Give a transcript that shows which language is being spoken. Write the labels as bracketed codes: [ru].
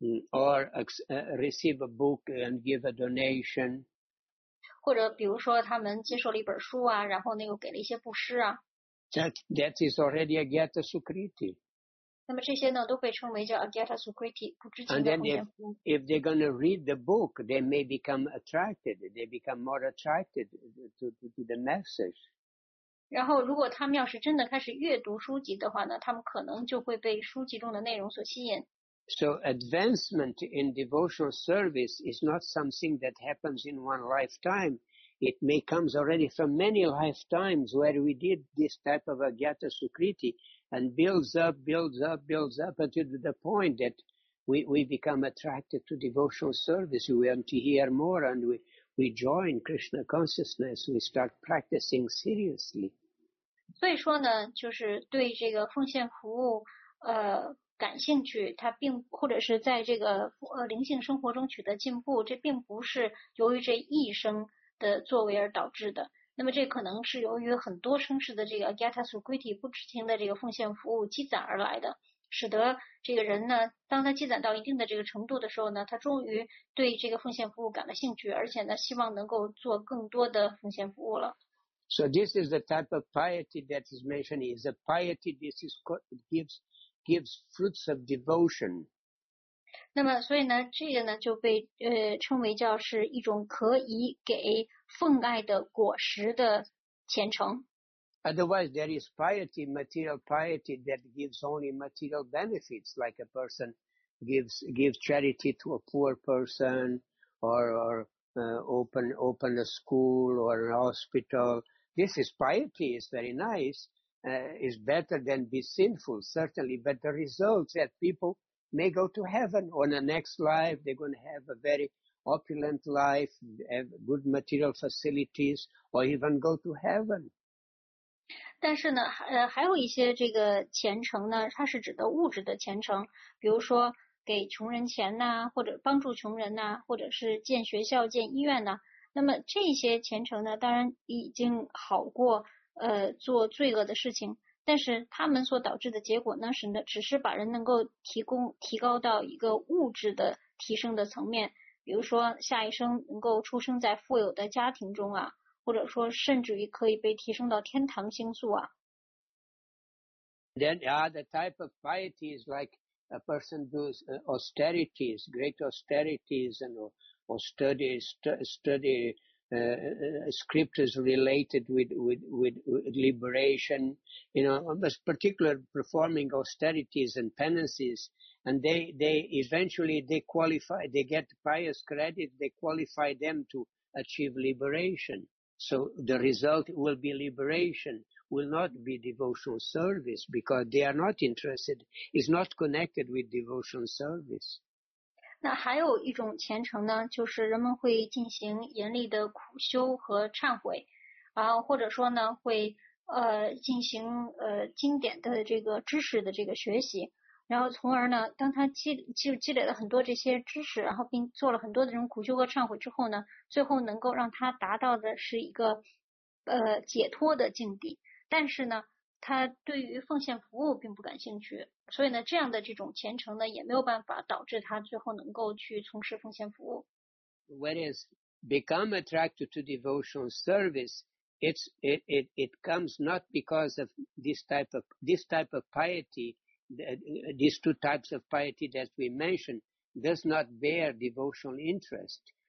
[en] Or receive a book and give a donation. [zh] 或者比如说他们接受了一本书啊，然后呢又给了一些布施啊。 [en] That is already Agyata Sukriti. [zh] 那么这些呢都被称为叫 Agyata Sukriti， 不知情的奉献服务。 [en] And then if they're going to read the book, they may become attracted. They become more attracted to the message. [zh] 然后如果他们要是真的开始阅读书籍的话呢，他们可能就会被书籍中的内容所吸引。 [en] So advancement in devotional service is not something that happens in one lifetime. It may come already from many lifetimes where we did this type of Agyata Sukriti and builds up until the point that we become attracted to devotional service. We want to hear more and we join Krishna consciousness, we start practicing seriously. [zh] 所以说呢，就是对这个奉献服务感兴趣，它并或者是在这个灵性生活中取得进步，这并不是由于这一生的作为而导致的。那么这可能是由于很多生世的这个 Agata Sukriti 不知情的这个奉献服务积攒而来的，使得这个人呢，当他积攒到一定的这个程度的时候呢，他终于对这个奉献服务感了兴趣，而且呢，希望能够做更多的奉献服务了。 [en] So this is the type of piety that is mentioned. Is a piety. This is called, gives fruits of devotion. [zh] 那么，所以呢，这个呢就被称为叫是一种可以给奉爱的果实的虔诚。 [en] Otherwise, there is piety, material piety, that gives only material benefits, like a person gives charity to a poor person, or open a school or an hospital. This is piety, it's very nice, it's better than be sinful, certainly, but the results that people may go to heaven on the next life, they're going to have a very opulent life, have good material facilities, or even go to heaven. [zh] 但是呢还有一些这个虔诚呢，它是指的物质的虔诚，比如说给穷人钱呐、或者帮助穷人呐、或者是建学校建医院呐。那么这些虔诚呢当然已经好过做罪恶的事情，但是他们所导致的结果呢只是把人能够提高到一个物质的提升的层面，比如说下一生能够出生在富有的家庭中啊，或者说甚至于可以被提升到天堂星宿啊。 [en] Then, the type of piety is like a person does austerities, great austerities, and study scriptures related with liberation, almost particular performing austerities and penances, and they eventually qualify, they get pious credit, they qualify them to achieve liberation. So the result will be liberation, will not be devotional service, because they are not interested, is not connected with devotional service. [zh] 那还有一种虔诚呢，就是人们会进行严厉的苦修和忏悔，或者说呢，会进行经典的这个知识的这个学习，然后从而呢，当他积累了很多这些知识，然后并做了很多的这种苦修和忏悔之后呢，最后能够让他达到的是一个解脱的境地。但是呢，他对于奉献服务并不感兴趣，所以呢，这样的这种虔诚呢，也没有办法导致他最后能够去从事奉献服务。 [en] Whereas become attracted to devotional service, it comes not because of this type of piety. These two types of piety that we mentioned does not bear devotional interest.